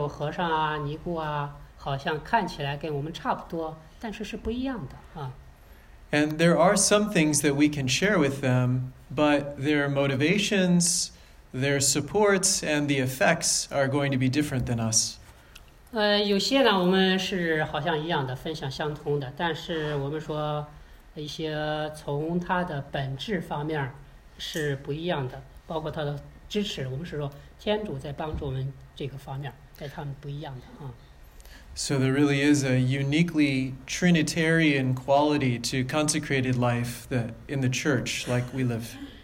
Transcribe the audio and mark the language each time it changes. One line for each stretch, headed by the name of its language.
Chinese: 那我们知道在佛教里边也有和尚啊，尼姑啊。好像看起来跟我们差不多，但是是不一样的啊。
English: And there are some things that we can share with them, but their motivations, their supports, and the effects are going to be different than us.
Chinese: 有些呢，我们是好像一样的，分享相通的，但是我们说一些从它的本质方面是不一样的，包括它的支持，我们是说天主在帮助我们这个方面，在他们不一样的啊。
English: So there really is a uniquely Trinitarian quality to consecrated life that in the church like we live.